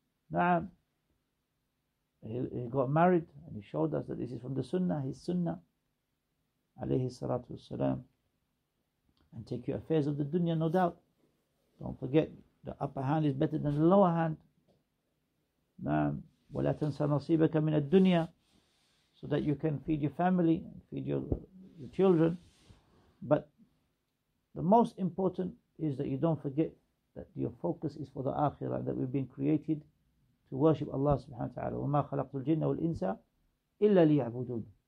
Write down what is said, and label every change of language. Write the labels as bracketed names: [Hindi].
[English] Now, he got married and he showed us that this is from the sunnah, his sunnah, alayhi salatu wasalam. And take your affairs of the dunya, no doubt. Don't forget, the upper hand is better than the lower hand. [Arabic] Now, وَلَا تَنْسَى نَصِيبَكَ مِنَ الدُّنْيَا. [English] So that you can feed your family, feed your children. But the most important is that you don't forget that your focus is for the akhirah, that we've been created to worship Allah subhanahu wa ta'ala. [Arabic] وَمَا خَلَقْتُ الْجِنَّ وَالْإِنسَ إِلَّا لِيَعْبُدُونَ.